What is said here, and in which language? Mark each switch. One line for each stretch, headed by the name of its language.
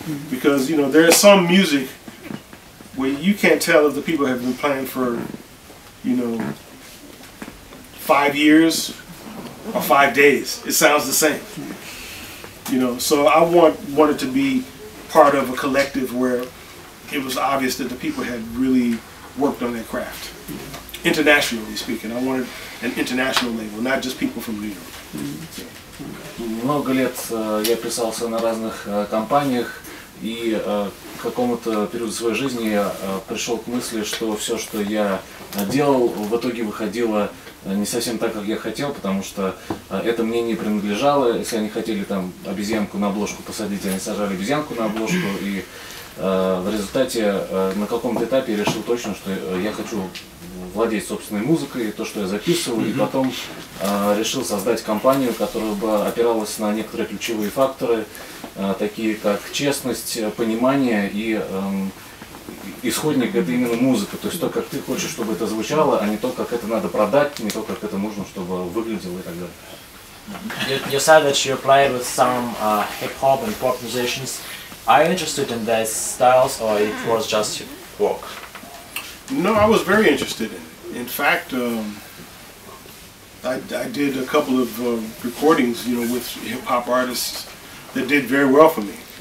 English: Because, you know, there is some music where you can't tell if the people have been playing for, you know, 5 years or 5 days. It sounds the same. You know, so I wanted to be part of a collective where it was obvious that the people had really worked on their craft. Internationally speaking, I wanted an international label, not just people from New York.
Russian: Много лет я писался на разных компаниях, и к какому-то периоду своей жизни я пришел к мысли, что все, что я делал, в итоге выходило не совсем так, как я хотел, потому что это мне не принадлежало. Если они хотели там обезьянку на обложку посадить, они сажали обезьянку на обложку, и в результате на каком-то этапе я решил точно, что я хочу владеть собственной музыкой, то, что я записываю, и потом решил создать компанию, которая бы опиралась на некоторые ключевые факторы, такие как честность, понимание и исходник — это именно музыка, то есть то, как ты хочешь, чтобы это звучало, а не то, как это надо продать, не то, как это нужно, чтобы выглядело и так далее.
English: You said that you played with some hip-hop and pop musicians. Are you interested in their styles, or it was just work? No, I was very interested in it. In fact, I did a couple of recordings, you know, with hip-hop artists that did very well for me.